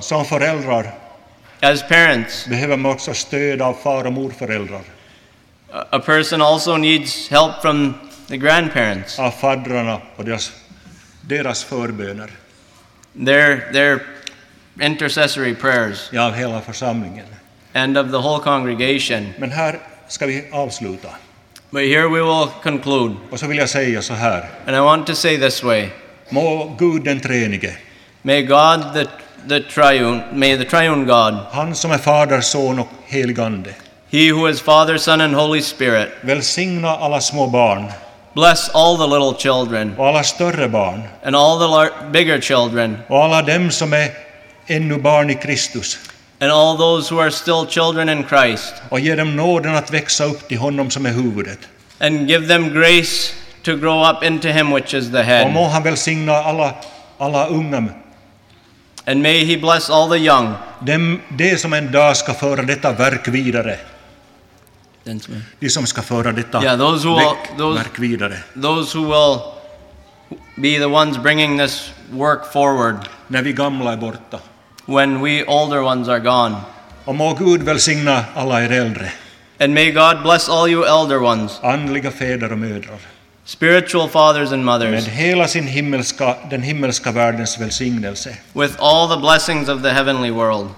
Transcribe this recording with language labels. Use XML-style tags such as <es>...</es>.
<sv>Som föräldrar.</sv> <en>As parents.</en> <sv>Behöver man också stöd av far- och morföräldrar.</sv> <en>A person also needs help from the grandparents.</en> <sv>Av fadrarna och deras förböner.</sv> <en>Their intercessory prayers.</en> <sv>Ja, av hela församlingen.</sv> <en>And of the whole congregation.</en> <sv>Men här ska vi avsluta.</sv> <en>But here we will conclude.</en> <sv>Och så vill jag säga så här.</sv> <en>And I want to say this way.</en> <sv>Må Gud den treenige.</sv> <en>May God the triune God.</en> <sv>Han som är fader, son och helig ande.</sv> <en>He who is Father, Son and Holy Spirit.</en> <sv>Välsigna alla små barn.</sv> <en>Bless all the little children.</en> <sv>Och alla större barn.</sv> <en>And all the bigger children.</en> <sv>Och alla dem som är ännu barn i Kristus.</sv> <en>And all those who are still children in Christ.</en> <sv>Och ge dem nåden att växa upp till honom som är huvudet.</sv> <en>And give them grace to grow up into him which is the head.</en> <sv>Och må han välsigna alla unga.</sv> <en>And may he bless all the young.</en> <sv>De som en dag ska föra detta verk vidare. De som ska föra detta verk vidare.</sv> <en>Those who will be the ones bringing this work forward.</en> <sv>När vi gamla är borta.</sv> <en>When we older ones are gone.</en> <sv>Och må Gud välsigna alla er äldre.</sv> <en>And may God bless all you elder ones.</en> <sv>Andliga fäder och mödrar.</sv> <en>Spiritual fathers and mothers.</en> <sv>Med hela sin himmelska, den himmelska världens välsignelse.</sv> <en>With all the blessings of the heavenly world.</en>